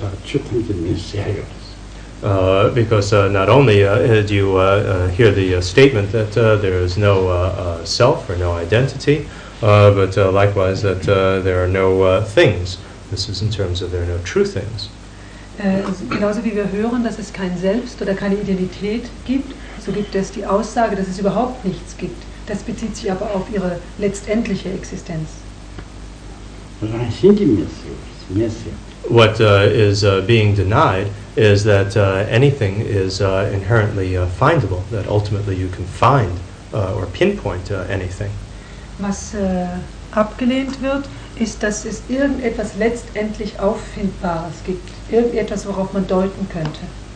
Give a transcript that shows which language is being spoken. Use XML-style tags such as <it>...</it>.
<en>Because not only do you hear the statement that there is no self or no identity, but likewise that there are no things. This is in terms of there are no true things.</en> <de>Genauso wie wir hören, dass es kein Selbst oder keine Identität gibt, so gibt es die Aussage, dass es überhaupt nichts gibt. Das bezieht sich aber auf ihre letztendliche Existenz.</de> <en>What is being denied is that anything is inherently findable, that ultimately you can find or pinpoint anything.</en> <de>Was abgelehnt wird, ist, dass es irgendetwas letztendlich Auffindbares gibt, irgendetwas, worauf man deuten könnte.</de>